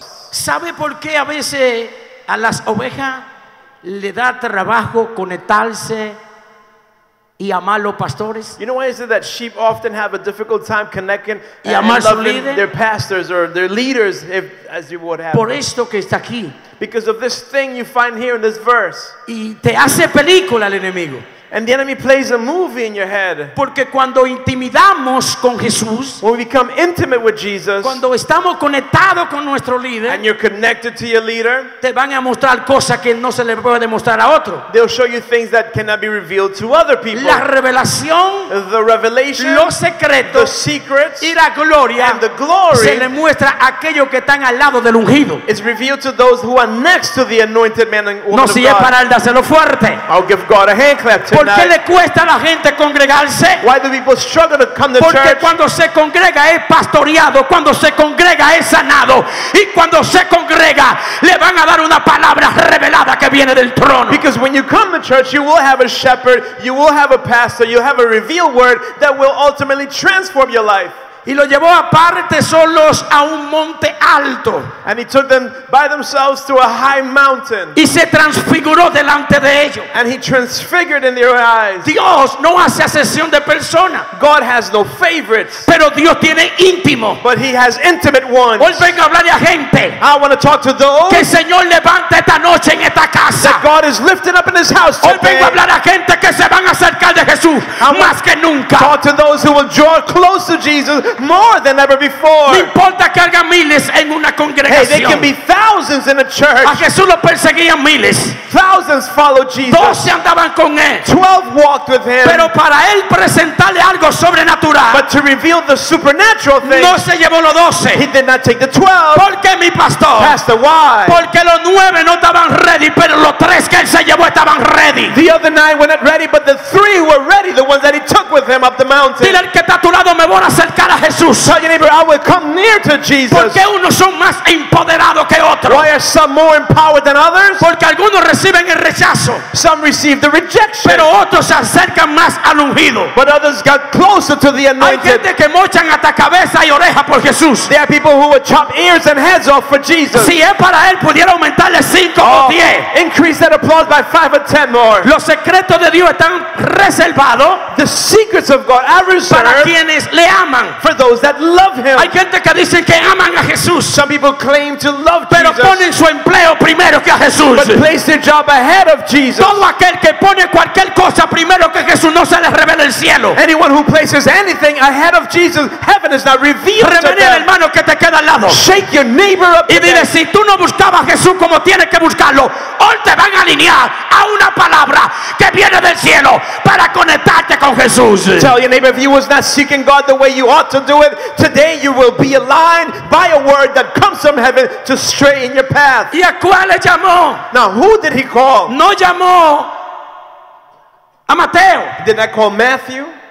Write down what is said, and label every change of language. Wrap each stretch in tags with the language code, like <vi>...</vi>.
<es>¿Sabe por qué a veces a las ovejas le da trabajo conectarse y amar los pastores?</es> <en>You know why is it that sheep often have a difficult time connecting and loving their pastors or their leaders, if, as you would have?</en> <es>Por esto que está aquí.</es> <en>Because of this thing you find here in this verse.</en> <es>Y te hace película el enemigo.</es> <en>And the enemy plays a movie in your head.</en> <es>Porque cuando intimidamos con Jesús,</es> <en>when we become intimate with Jesus,</en> <es>cuando estamos conectados con nuestro líder,</es> <en>and you're connected to your leader,</en> <es>te van a mostrar cosas que no se le puede demostrar a otro.</es> <en>They'll show you things that cannot be revealed to other people.</en> <es>La revelación,</es> <en>the revelation,</en> <es>los secretos,</es> <en>the secrets,</en> <es>y la gloria,</es> <en>and the glory,</en> <es>se le muestra a aquellos que están al lado del ungido.</es> <en>It's revealed to those who are next to the anointed man and woman no, si of God.</en> <es>Es para él, dáselo fuerte.</es> <en>I'll give God a hand clap.</en> <es>¿Por qué le cuesta a la gente congregarse?</es> <en>Why do people struggle to come to</en> <es>Porque</es> <en>church?</en> <es>Porque cuando se congrega es pastoreado, cuando se congrega es sanado, y cuando se congrega le van a dar una palabra revelada que viene del trono.</es> <en>Because when you come to church, you will have a shepherd, you will have a pastor, you have a revealed word that will ultimately transform your life.</en> <es>Y lo llevó aparte solos a un monte alto.</es> <en>And he took them by themselves to a high mountain.</en> <es>Y se transfiguró delante de ellos.</es> <en>And he transfigured in their eyes.</en> <es>Dios no hace acepción de persona.</es> <en>God has no favorites.</en> <es>Pero Dios tiene íntimo.</es> <en>But he has intimate ones.</en> <es>Hoy vengo a hablarle a gente.</es> <en>I want to talk to those.</en> <es>Que el Señor levanta esta noche en esta casa.</es> <en>That God is lifting up in his house today.</en> <es>Hoy vengo a hablar a gente que se van a acercar de Jesús más que nunca.</es> <en>Talk to those who will draw close to Jesus more than ever before.</en> <es>No importa que haya miles en una congregación.</es> <en>Hey, there can be thousands in a church.</en> <es>A Jesús lo perseguían miles.</es> <en>Thousands followed Jesus.</en> <es>12 andaban con él.</es> <en>12 walked with him.</en> <es>Pero para él presentarle algo sobrenatural.</es> <en>But to reveal the supernatural thing.</en> <es>No se llevó los 12.</es> <en>He did not take the 12.</en> <es>¿Por qué, mi pastor?</es> <en>Pastor, why?</en> <es>Porque los 9 no estaban ready, pero los 3 que él se llevó estaban ready.</es> <en>The other 9 were not ready, but the 3 were ready, the ones that he took with him up the mountain.</en> <es>Dile al que está a tu lado, me voy a acercar.</es> <en>Tell your neighbor, I will come near to Jesus.</en> <es>Porque unos son más empoderados que otros.</es> <en>Why are some more empowered than others?</en> <es>Porque algunos reciben el rechazo.</es> <en>Some receive the rejection.</en> <es>Pero otros se acercan más al ungido.</es> <en>But others got closer to the anointed.</en> <es>Hay gente que mochan hasta cabeza y oreja por Jesús.</es> <en>There are people who would chop ears and heads off for Jesus.</en> <es>Si es para él, pudiera aumentarle 5 o 10.</es> <en>Increase that applause by 5 or 10 more.</en> <es>Los secretos de Dios están reservados.</es> <en>The secrets of God are reserved.</en> <es>Para quienes le aman.</es> <en>For those that love him.</en> <es>Hay gente que dice que aman a Jesús.</es> <en>Some people claim to love</en> <es>pero</es> <en>Jesus.</en> <es>Pero ponen su empleo primero que a Jesús.</es> <en>But place their job ahead of Jesus.</en> <es>Todo aquel que pone cualquier cosa primero que Jesús no se le revela el cielo.</es> <en>Anyone who places anything ahead of Jesus, heaven is not revealed.</en> <es>Revele al hermano que te queda al lado.</es> <en>Shake your neighbor up.</en> <es>Y dile, si tú no buscabas a Jesús como tienes que buscarlo, hoy te van a alinear a una palabra que viene del cielo para conectarte con Jesús.</es> <en>Tell your neighbor, if you was not seeking God the way you ought to do it, today you will be aligned by a word that comes from heaven to straighten your path.</en> <es>¿Y a cuál le llamó?</es> <en>Now who did he call?</en> <es>No llamó a Mateo.</es> <en>Did I call Matthew?</en>